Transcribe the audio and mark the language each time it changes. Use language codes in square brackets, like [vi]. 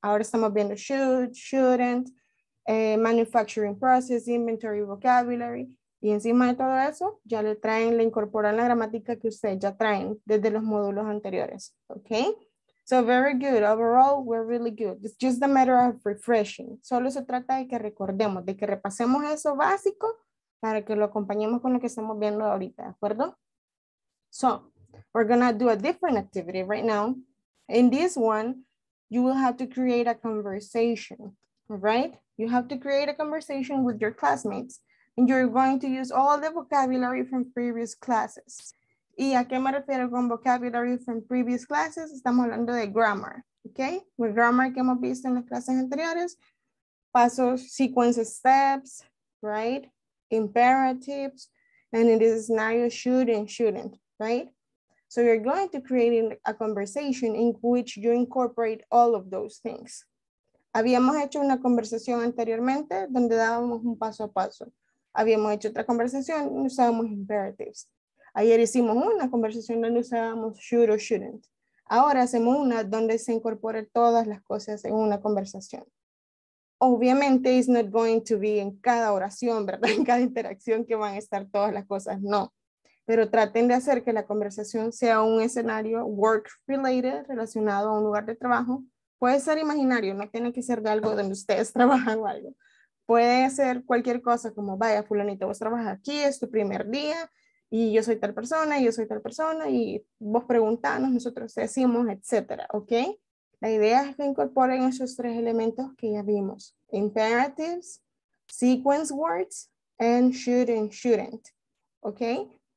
[es] Ahora estamos viendo [en] should, shouldn't, manufacturing process, [es] inventory, vocabulary, y encima de todo eso, ya le traen, le incorporan la gramática que ustedes ya traen desde los módulos anteriores, okay? [en] So very good, overall, we're really good. It's just a matter of refreshing. [es] Solo se trata de que recordemos, de que repasemos eso básico para que lo acompañemos con lo que estamos viendo ahorita, ¿de acuerdo? [en] So, we're gonna do a different activity right now. In this one, you will have to create a conversation. right? You have to create a conversation with your classmates and you're going to use all the vocabulary from previous classes. [es] ¿Y a qué me refiero con [en] vocabulary from previous classes? [es] Estamos hablando de grammar, okay? [en] With grammar [es] que hemos visto en las clases anteriores, pasos, [en] sequences, steps, right? Imperatives, and in this scenario, should and shouldn't, right? So you're going to create a conversation in which you incorporate all of those things. [es] Habíamos hecho una conversación anteriormente donde dábamos un paso a paso. Habíamos hecho otra conversación y usábamos imperatives. Ayer hicimos una conversación donde usábamos should or shouldn't. Ahora hacemos una donde se incorporan todas las cosas en una conversación. Obviamente, [en] it's not going to be [es] en cada oración, ¿verdad? En cada interacción que van a estar todas las cosas, no. Pero traten de hacer que la conversación sea un escenario work-related, relacionado a un lugar de trabajo. Puede ser imaginario, no tiene que ser de algo donde ustedes trabajan o algo. Puede ser cualquier cosa como, vaya, fulanito, vos trabajas aquí, es tu primer día, y yo soy tal persona, y yo soy tal persona, y vos preguntanos, nosotros decimos, etcétera, ¿ok? La idea es que incorporen esos tres elementos que ya vimos. [en] Imperatives, sequence words, and should and shouldn't, ¿ok?